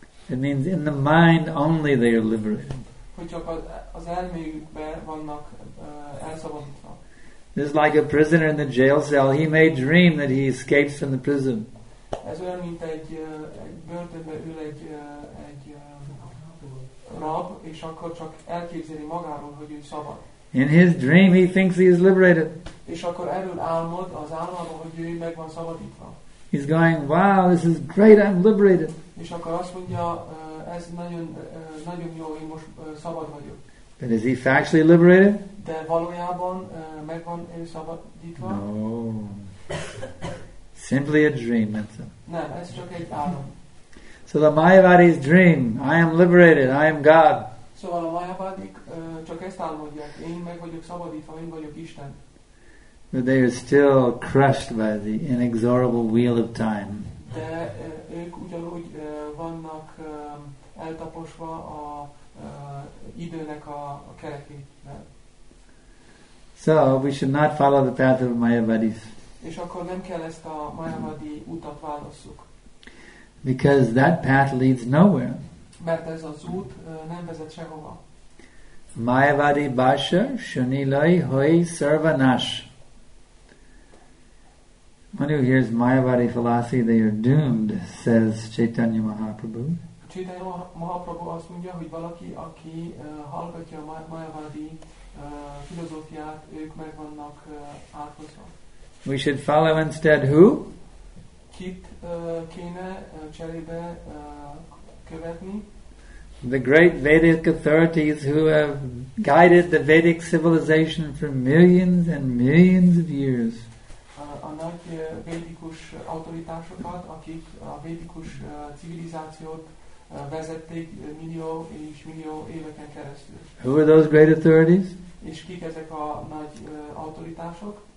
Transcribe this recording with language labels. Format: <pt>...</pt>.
<en>It means in the mind only they are liberated.</en> <hu>Hogy csak az elmékben vannak elszabadítva.</hu> <en>This is like a prisoner in the jail cell. He may dream that he escapes from the prison.</en> <hu>Ez olyan, mint egy börtönben ül egy rab, és akkor csak elképzeli magáról, hogy ő szabad.</hu> <en>In his dream, he thinks he is liberated.</en> <hu>És akkor erről álmod, az álmában, hogy ő meg van szabadítva.</hu> <en>He's going, wow, this is great, I'm liberated.</en> <hu>És akkor azt mondja, ez nagyon, nagyon jó, én most szabad vagyok.</hu> <en>But is he factually liberated?</en> <hu>De valójában meg van ő szabadítva?</hu> <en>No. Simply a dream, that's all.</en> <hu>Nem, ez csak egy álom.</hu> <en>So the Mayavadi's dream, I am liberated, I am God.</en> <hu>Szóval a Mayavadik csak ezt álmodják. Én meg vagyok szabadítva, én vagyok Isten.</hu> <en>But they are still crushed by the inexorable wheel of time.</en> <hu>De ők ugyanúgy vannak eltaposva a időnek a kerekében.</hu> <en>So we should not follow the path of Mayavadis.</en> <hu>És akkor nem kell ezt a Mayavadi utat válasszuk.</hu> <en>Because that path leads nowhere.</en> <hu>Mert ez az út nem vezet sehova.</hu> <bn>Mayavadi bhasha shunilai hoi sarvanash.</bn> <en>One who hears Mayavadi philosophy, they are doomed, says Chaitanya Mahaprabhu.</en> <hu>Chaitanya Mahaprabhu azt mondja, hogy valaki, aki hallgatja a Mayavadi filozófiát, ők meg vannak átkozva.</hu> <en>We should follow instead who?</en> <hu>Kit kéne cserébe követni?</hu> <en>The great Vedic authorities who have guided the Vedic civilization for millions and millions of years.</en> <hu>A nagy védikus autoritásokat, akik a védikus civilizációt vezették millió és millió éveken keresztül.</hu> <en>Who are those great authorities?</en> <hu>És kik ezek a nagy autoritások?</hu>